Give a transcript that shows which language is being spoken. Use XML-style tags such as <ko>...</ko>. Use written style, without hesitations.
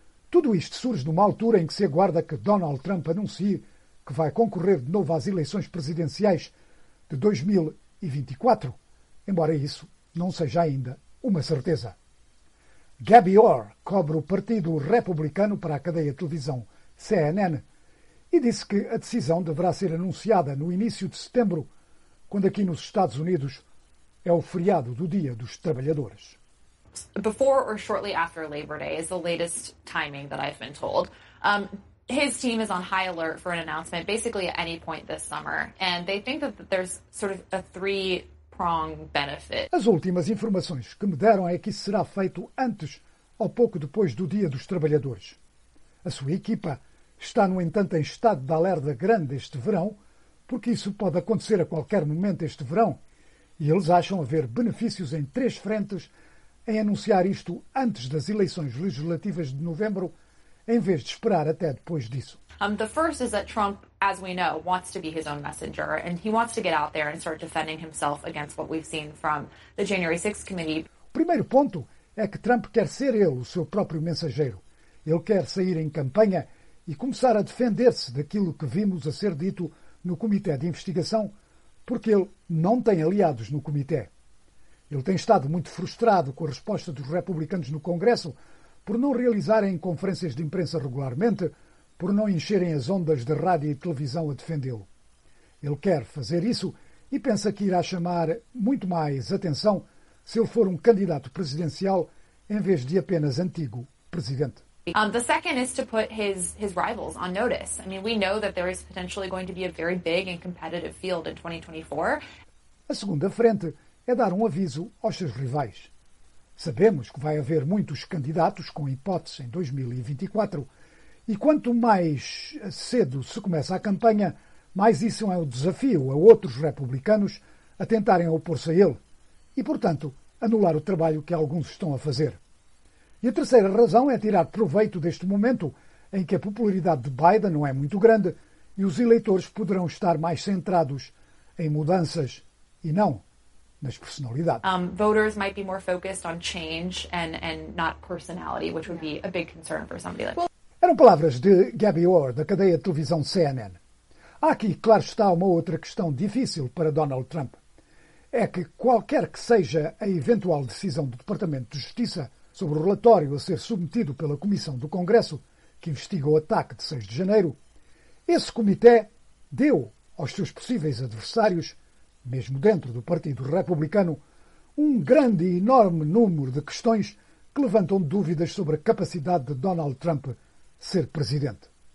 <pt>Tudo isto surge numa altura em que se aguarda que Donald Trump anuncie que vai concorrer de novo às eleições presidenciais de 2024, embora isso não seja ainda uma certeza. Gabby Orr cobre o Partido Republicano para a cadeia de televisão CNN e disse que a decisão deverá ser anunciada no início de setembro, quando aqui nos Estados Unidos é o feriado do Dia dos Trabalhadores.</pt> <en>before or shortly after Labor Day is the latest timing that I've been told. His team is on high alert for an announcement basically at any point this summer, and they think that there's sort of a three-prong benefit.</en> <pt>As últimas informações que me deram é que isso será feito antes ou pouco depois do Dia dos Trabalhadores. A sua equipa está, no entanto, em estado de alerta grande este verão, porque isso pode acontecer a qualquer momento este verão, e eles acham haver benefícios em três frentes em anunciar isto antes das eleições legislativas de novembro, em vez de esperar até depois disso.</pt> <en>The first is that Trump, as we know, wants to be his own messenger, and he wants to get out there and start defending himself against what we've seen from the January 6th committee.</en> <pt>O primeiro ponto é que Trump quer ser ele o seu próprio mensageiro. Ele quer sair em campanha e começar a defender-se daquilo que vimos a ser dito no Comitê de Investigação, porque ele não tem aliados no Comitê. Ele tem estado muito frustrado com a resposta dos republicanos no Congresso por não realizarem conferências de imprensa regularmente, por não encherem as ondas de rádio e televisão a defendê-lo. Ele quer fazer isso e pensa que irá chamar muito mais atenção se ele for um candidato presidencial em vez de apenas antigo presidente.</pt> <en>The second is to put his rivals on notice. I mean, we know that there is potentially going to be a very big and competitive field in 2024.</en> <pt>A segunda frente é dar um aviso aos seus rivais. Sabemos que vai haver muitos candidatos com hipótese em 2024, e quanto mais cedo se começa a campanha, mais isso é um desafio a outros republicanos a tentarem opor-se a ele e, portanto, anular o trabalho que alguns estão a fazer. E a terceira razão é tirar proveito deste momento em que a popularidade de Biden não é muito grande e os eleitores poderão estar mais centrados em mudanças e não nas personalidades.</pt> <en>Voters might be more focused on change and not personality, which would be a big concern for somebody like...</en> <pt>Eram palavras de Gabby Orr, da cadeia de televisão CNN. Há aqui, claro está, uma outra questão difícil para Donald Trump. É que qualquer que seja a eventual decisão do Departamento de Justiça sobre o relatório a ser submetido pela Comissão do Congresso, que investiga o ataque de 6 de janeiro, esse comitê deu aos seus possíveis adversários, mesmo dentro do Partido Republicano, um grande e enorme número de questões que levantam dúvidas sobre a capacidade de Donald Trump ser presidente.</pt>